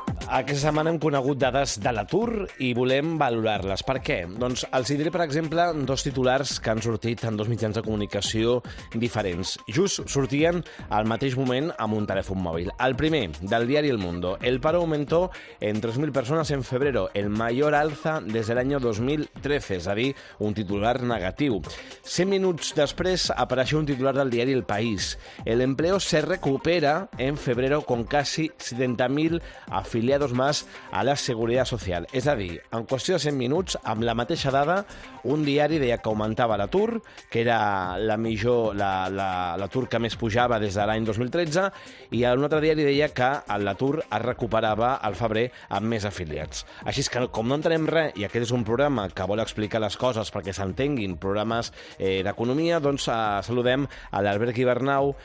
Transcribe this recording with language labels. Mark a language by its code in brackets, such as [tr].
[ca] Aquesta setmana hem conegut dades de l'atur i volem valorar-les. Per què? Doncs els hi diré, per exemple, dos titulars que han sortit en dos mitjans de comunicació diferents. Just sortien al mateix moment amb un telèfon mòbil. El primer, del diari El Mundo. [es] El paro aumentó en 3.000 persones en febrero, el mayor alza desde el año 2013, [ca] és a dir, un titular negatiu. 100 minuts després apareix un titular del diari El País. [es] El empleo se recupera en febrero con casi 70.000 afiliados más a la Seguridad Social. [ca] És a dir, en qüestió de 100 minuts, amb la mateixa dada, un diari deia que augmentava l'atur, que era la millor, l'atur que més pujava des de l'any 2013, i un altre diari deia que l'atur es recuperava al febrer amb més afiliats. Així que, com no entenem res, i aquest és un programa que vol explicar les coses perquè s'entenguin, programes d'economia, doncs saludem a l'Albert Guibernau.